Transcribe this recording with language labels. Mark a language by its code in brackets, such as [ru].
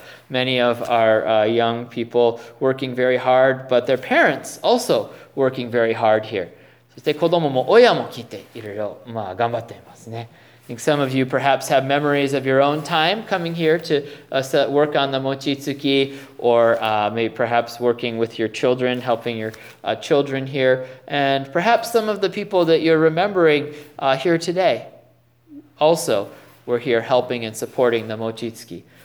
[en] Many of our young people working very hard, but their parents also working very hard here. [ja] そして子供も親も来ていろいろ頑張っていますね。 [en] I think some of you perhaps have memories of your own time coming here to work on the mochitsuki, or maybe perhaps working with your children, helping your children here. And perhaps some of the people that you're remembering here today also we're here helping and supporting the mochitsuki.